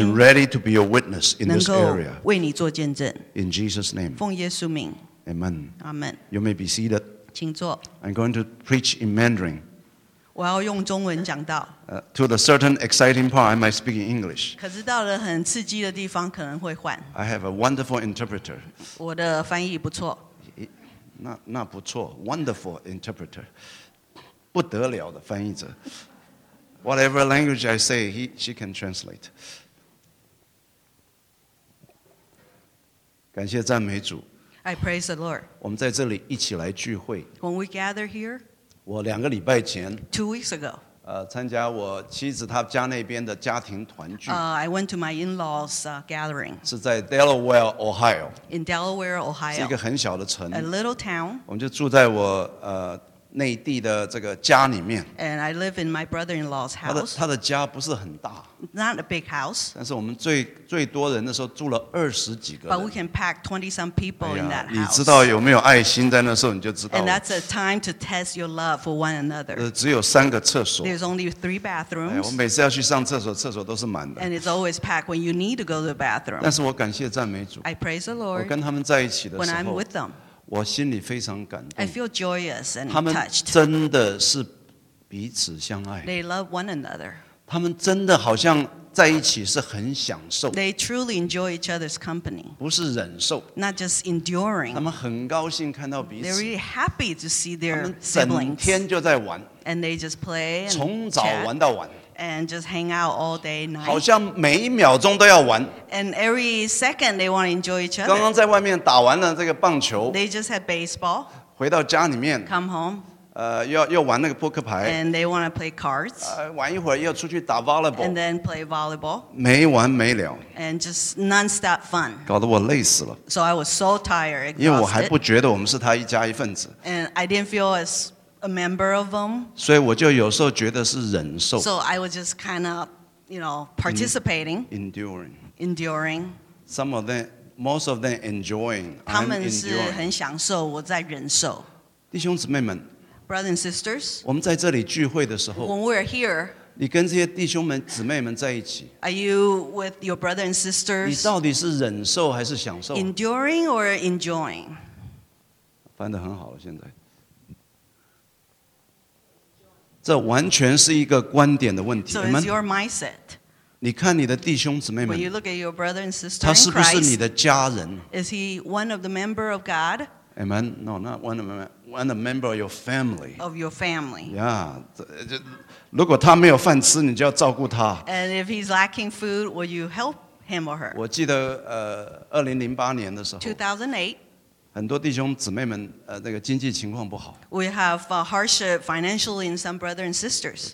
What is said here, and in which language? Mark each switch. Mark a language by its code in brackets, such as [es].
[en] And ready to be a witness in this area. [zh] 能够为你做见证。 [en] In Jesus' name. [zh] 奉耶稣名。 [en] Amen. Amen. You may be seated. [zh] 请坐。 [en] I'm going to preach in Mandarin. [zh] 我要用中文讲道。 [en] To the certain exciting part, I might speak in English. [zh] 可是到了很刺激的地方，可能会换。 [en] I have a wonderful interpreter. [zh] 我的翻译不错。那不错 ， [en] wonderful interpreter， [zh] 不得了的翻译者。 [en] Whatever language I say, she can translate. [zh] 感谢赞美主。 [en] I praise the Lord. [zh] 我们在这里一起来聚会。 [en] When we gather here, [zh] 我两个礼拜前 [en] two weeks ago, [zh] 参加我妻子她家那边的家庭团聚。 [en] I went to my in-laws' gathering. [zh] 是在 Delaware, Ohio. [en] In Delaware, Ohio. [zh] 是一个很小的城。 [en] A little town. [zh] 我们就住在我内地的这个家里面。 [en] And I live in my brother-in-law's house. [zh] 他的家不是很大。 [en] Not a big house. [zh] 但是我们最多人的时候住了二十几个人。 [en] But we can pack 20-some people in that house. [zh] 你知道有没有爱心在那时候你就知道了。 [en] And that's a time to test your love for one another. [zh] 只有三个厕所。 [en] There's only three bathrooms. [zh] 我每次要去上厕所，厕所都是满的。 [en] And it's always packed when you need to go to the bathroom. [zh] 但是我感谢赞美主。 [en] I praise the Lord. [zh] 我跟他们在一起的时候。 [en] When I'm with them. [zh] 我心里非常感动。 [en] I feel joyous and touched. [zh] 他们真的是彼此相爱。 [en] They love one another. [zh] 他们真的好像在一起是很享受。 [en] They truly enjoy each other's company. [zh] 不是忍受。 [en] Not just enduring. [zh] 他们很高兴看到彼此。 [en] They're really happy to see their siblings. [zh] 整天就在玩。 [en] And they just play and chat. [zh] 从早玩到晚。 [en] And just hang out all day night. [zh] 好像每一秒钟都要玩。 [en] And every second they want to enjoy each other. [zh] 刚刚在外面打完了这个棒球。 [en] They just had baseball. [zh] 回到家里面。 [en] Come home. [zh] 又玩那个扑克牌。 [en] And they want to play cards. [zh] 玩一会儿又出去打 volleyball. [en] And then play volleyball. [zh] 没完没了。 [en] And just non-stop fun. [zh] 搞得我累死了。 [en] So I was so tired, exhausted. [zh] 因为我还不觉得我们是他一家一份子。 [en] And I didn't feel as a member of them. [zh] 所以我就有时候觉得是忍受。 [en] So I was just kind of, you know, participating. Enduring. Enduring. Some of them, most of them enjoying. [zh] 他们是很享受，我在忍受。弟兄姊妹们。 [en] Brothers and sisters. [zh] 我们在这里聚会的时候。 [en] When we're here. [zh] 你跟这些弟兄们姊妹们在一起。 [en] Are you with your brothers and sisters? [zh] 你到底是忍受还是享受？ [en] Enduring or enjoying? [zh] 翻得很好了，现在。这完全是一个观点的问题。 [en] So it's your mindset. [zh] 你看你的弟兄姊妹们。 [en] When you look at your brother and sister in Christ, [zh] 他是不是你的家人？ [en] Is he one of the member of God? Amen. No, not one of the member of your family. Of your family. Yeah. [zh] 如果他没有饭吃，你就要照顾他。 [en] And if he's lacking food, will you help him or her? [zh] 我记得2008年的时候。 [en] 2008. [zh] 很多弟兄姊妹们，那个经济情况不好。 [en] We have a hardship financially in some brothers and sisters.